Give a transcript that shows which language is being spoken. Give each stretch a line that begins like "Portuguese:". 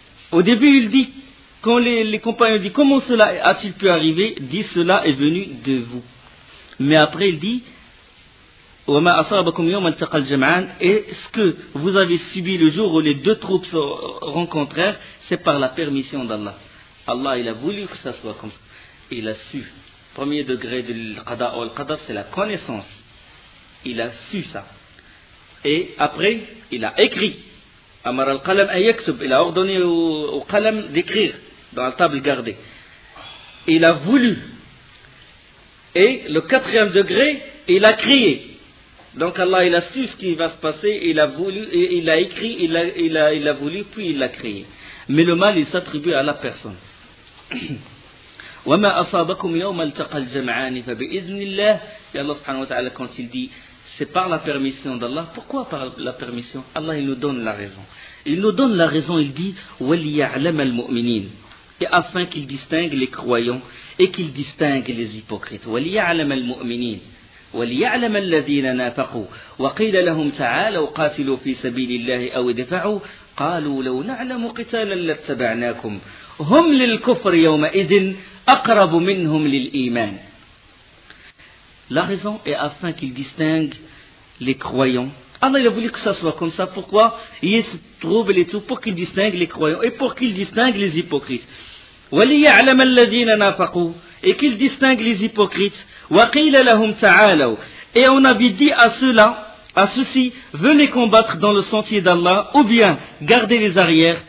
French: Au début, il dit, quand les compagnons disent comment cela a-t-il pu arriver, dit cela est venu de vous. Mais après, il dit
Arabic: وما أصابكم يوم التقى الجمعان.
French: Est-ce que vous avez subi le jour où les deux troupes se rencontrèrent? C'est par la permission d'Allah. Allah, il a voulu que ça soit comme ça. Il a su. Premier degré de l'qada ou l'qada, c'est la connaissance. Il a su ça. Et après, il a écrit.
Arabic: أمر القلم أن يكتب.
French: Il a ordonné au qalam d'écrire dans la table gardée. Il a voulu. Et le quatrième degré, il a crié. Donc Allah, il a su ce qui va se passer, il a voulu, il a écrit, il a voulu, puis il l'a créé. Mais le mal, il s'attribue à la personne.
Arabic: وَمَا أَصَابَكُمْ يَوْمَ الْتَقَى الْجَمْعَانِ فَبِإِذْنِ اللَّهِ.
French: Et Allah subhanahu wa ta'ala, quand il dit, c'est par la permission d'Allah. Pourquoi par la permission? Allah, il nous donne la raison. Il nous donne la raison, il dit,
Arabic: وَلِيَعْلَمَ الْمُؤْمِنِينَ.
French: Et afin qu'il distingue les croyants et qu'il distingue les hypocrites.
Arabic: وَلِيَعْلَمَ الْمُؤْمِنِينَ. وليعلم الذين نافقوا وقيل لهم تعالوا قاتلوا في سبيل الله أو دفعوا قالوا لو نعلم قتالا لاتبعناكم هم للكفر يومئذ أقرب منهم للإيمان.
French: La raison est afin qu'il distingue les croyants. Allah, il a voulu que ça soit comme ça. Pourquoi? Il se trouve les tout pour qu'il distingue les croyants et pour qu'il distingue les hypocrites.
Arabic: وَلِيَعْلَمَ الَّذِينَ نَافَقُوا
French: et qu'il distingue les hypocrites.
Arabic: وَقِيلَ لَهُمْ تَعَالَوْا
French: et on avait dit à ceux-là, à ceux-ci, venez combattre dans le sentier d'Allah ou bien gardez les arrières.